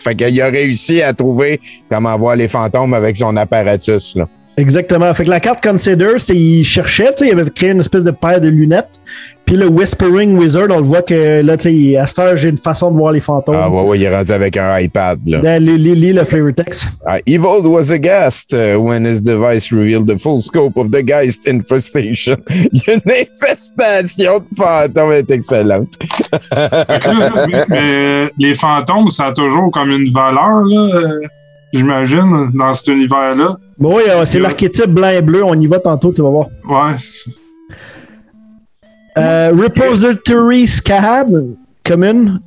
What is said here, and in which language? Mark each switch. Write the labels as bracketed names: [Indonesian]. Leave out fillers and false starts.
[French] Fait qu'il a réussi à trouver comment voir les fantômes avec son apparatus, là. Exactement. Fait que la carte Consider, c'est il cherchait, tu sais, il avait créé une espèce de paire de lunettes. Puis le Whispering Wizard, on le voit que là, tu sais, à cette heure, j'ai une façon de voir les fantômes. Ah ouais, il est rendu avec un iPad, là. Lis le flavor text. [English] Evold was aghast when his device revealed the full scope of the Geist infestation. [French] Une infestation de fantômes est excellente. Mais les fantômes, ça a toujours comme une valeur, là. J'imagine, dans cet univers-là. Bon, oui, c'est l'archétype blanc et bleu. On y va tantôt, tu vas voir. Ouais. Repository Scab Commune.